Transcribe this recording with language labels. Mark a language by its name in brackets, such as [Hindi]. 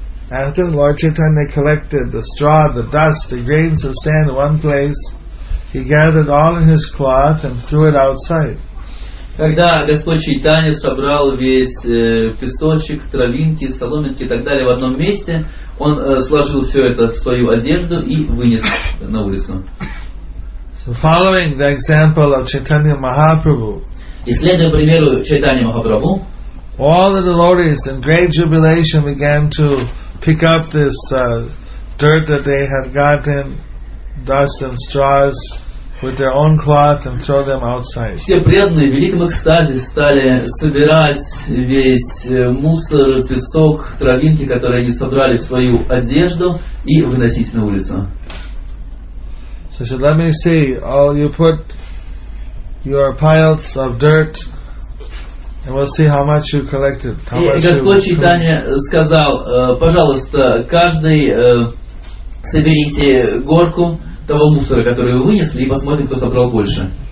[English] After Lord Chaitanya collected the straw, the dust, the grains of sand in one place, he gathered all in his cloth and threw it outside. [Russian] Когда Господь Чайтанья собрал весь песочек, травинки, соломинки и так далее в одном месте, он сложил все это в свою одежду и вынес на улицу. [English] So following the example of Chaitanya Mahaprabhu, [Russian] и следуя примеру Чайтанья Махапрабху, [English] all the devotees in great jubilation began to pick up this dirt that they had gotten, dust and straws, with their own cloth and throw them outside. [Russian] Все преданные в великом экстазе стали собирать весь мусор, песок, травинки, которые они собрали в свою одежду, и выносить на улицу. [English] So he said, "Let me see. All you put your piles of dirt, and we'll see how much you collected." [Russian] И Господь Чайтанья сказал: "Пожалуйста, каждый соберите горку того мусора, который вы вынесли, и посмотрим, кто собрал больше.